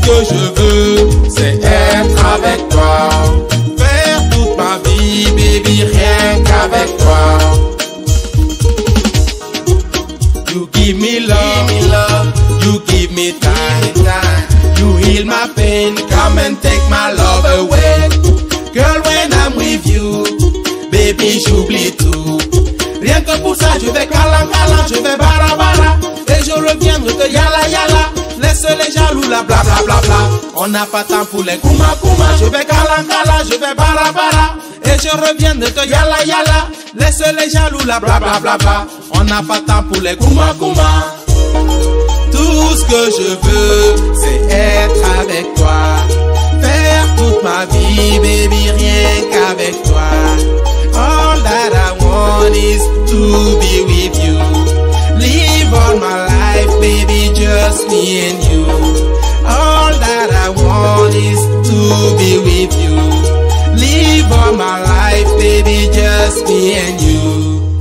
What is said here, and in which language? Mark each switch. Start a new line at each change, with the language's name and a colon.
French: Je veux, c'est être avec toi. Faire toute ma vie, baby, rien qu'avec toi.
English: You give me love, you give me time. You heal my pain, come and take my love away. Girl, when I'm with you, baby,
French: j'oublie tout. Rien que pour ça, je vais cala cala, je vais bara bara. Et je reviendrai te yala yala. Laisse les jaloux la bla bla bla bla. On n'a pas temps pour les kouma kouma. Je vais kala kala, je vais bara bara. Et je reviens de te yala yala. Laisse les jaloux la bla bla bla bla. On n'a pas temps pour les kouma kouma. Tout ce que je veux, c'est être avec toi. Faire toute ma vie, baby, rien qu'avec toi.
English: All that I want is to be with you. Live all my life, baby, just me and you. All that I want is to be with you. Live all my life, baby, just me and you.